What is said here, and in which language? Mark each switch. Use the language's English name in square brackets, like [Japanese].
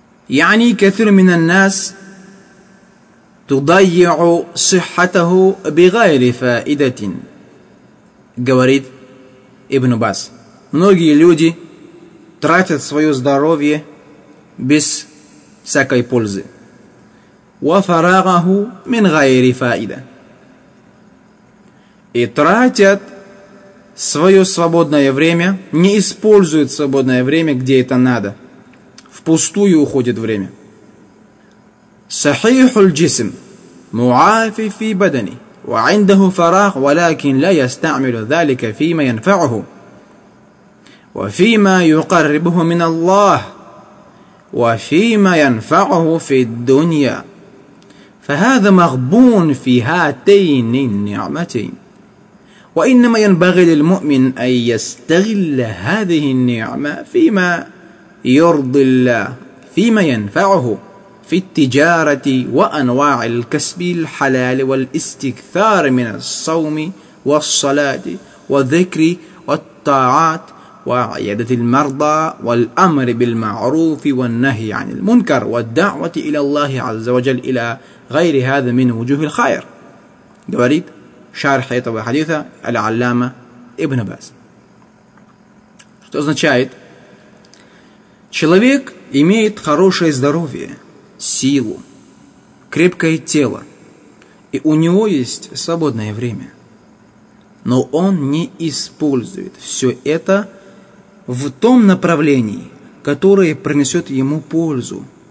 [Arabic] يعني كثير من الناس تضيع صحته بغير فائدة, [Russian] говорит Ибн Аббас. Многие люди тратят свое здоровье без всякой пользы. [Arabic] وفراغه من غير فائدة. [Russian] И тратят свое свободное время, не используют свободное время, где это надо. Впустую уходит время. [Arabic] صحيح الجسم معافي في بدني وعنده فراغ ولكن لا يستعمل ذلك فيما ينفعه وفيما يقربه من الله وفيما ينفعه في الدنيا فهذا مغبون في هاتين النعمتين وإنما ينبغي للمؤمن أن يستغل هذه النعمة فيما يرضي الله فيما ينفعه في التجارة وأنواع الكسب الحلال والاستكثار من الصوم والصلاة والذكر والطاعات وعيادة المرضى والأمر بالمعروف والنهي عن المنكر والدعوة إلى الله عز وجل إلى غير هذا من وجوه الخير. دواريد شارح حياته وحديثة العلامة ابن باز. [Russian] Что означает? Человек имеет хорошее здоровье, силу, крепкое тело, и у него есть свободное время. Но он не использует все это в том направлении, которое принесет ему пользу.